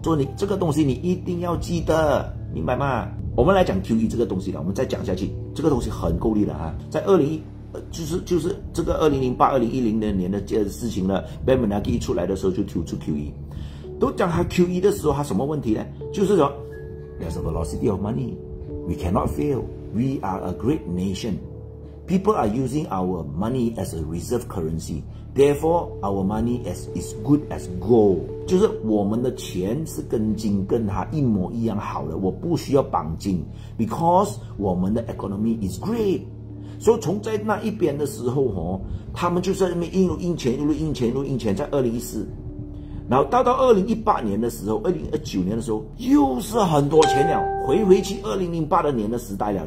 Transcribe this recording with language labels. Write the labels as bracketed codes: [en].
[zh] 说你这个东西你一定要记得，明白吗？我们来讲 QE 这个东西了，我们再讲下去，这个东西很够力的啊。在就是这个2008-2010年的这事情呢， Bernanke 出来的时候就提出 QE， 都讲他 QE 的时候他什么问题呢？就是说 [en] There's a velocity of money, we cannot fail, we are a great nation, people are using our money as a reserve currencyTherefore, our money is good as gold. [zh] 就是我们的钱是跟金跟它一模一样好的，我不需要绑金 ，because 我们的 [en] economy is great. [zh] 所以从在那一边的时候，哦，他们就在那边印钱，在2014，然后到2018年的时候，2019年的时候又是很多钱了，回回去2008年的时代了。